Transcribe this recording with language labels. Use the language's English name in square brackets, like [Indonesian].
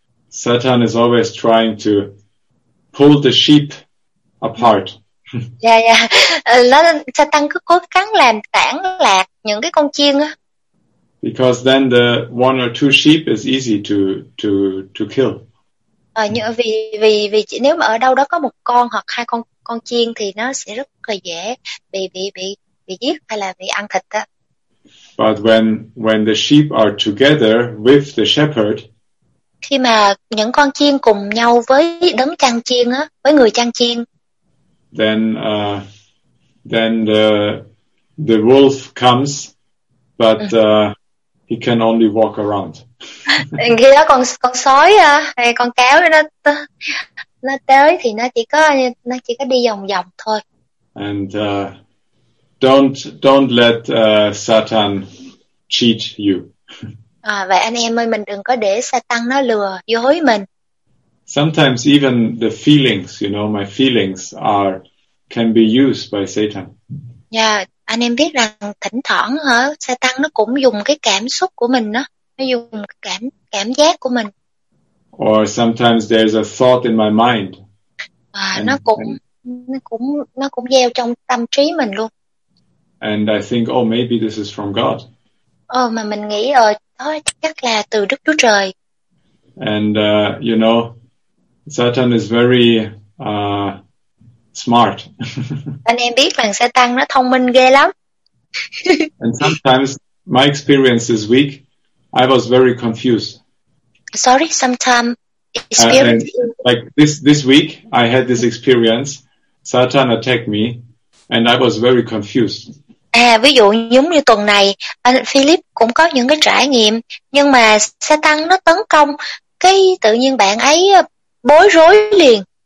[English] Satan is always trying to pull the sheep apart. Yeah, yeah. [Vietnamese] Satan cứ cố gắng làm tản lạc những cái con chiên á. [English] Because then the one or two sheep is easy to kill. [Vietnamese] Vì nếu mà ở đâu đó có một con hoặc hai con chiên thì nó sẽ rất là dễ bị giết hay là bị ăn thịt đó. [English] But when the sheep are together with the shepherd, [Vietnamese] khi mà những con chiên cùng nhau với đấng chăn chiên á, với người chăn chiên. [English] Then the wolf comes, but he can only walk around. [Vietnamese] Khi đó con sói hay con cáo nó tới thì nó chỉ có đi vòng vòng thôi. [English] And don't let Satan cheat you. [Vietnamese] À, vậy anh em ơi, mình đừng có để Satan nó lừa dối mình. [English] Sometimes even the feelings, you know, my feelings can be used by Satan. [Vietnamese] Yeah, anh em biết rằng thỉnh thoảng hả, Satan nó cũng dùng cái cảm xúc của mình đó, nó dùng cảm giác của mình. [English] Or sometimes there's a thought in my mind. [Vietnamese] Nó cũng gieo trong tâm trí mình luôn. [English] And I think, oh, maybe this is from God. [Vietnamese] Mà mình nghĩ rồi, đó chắc là từ Đức Chúa Trời. [English] And you know, Satan is very smart. [Vietnamese] Anh em biết rằng Satan nó thông minh ghê lắm. [English] And sometimes my experience this week, I was very confused. Sorry, sometimes experience. Like this week, I had this experience. Satan attacked me, and I was very confused. [Vietnamese] À, ví dụ giống như tuần này, anh Philip cũng có những cái trải nghiệm, nhưng mà Satan nó tấn công, cái tự nhiên bạn ấy bối rối liền.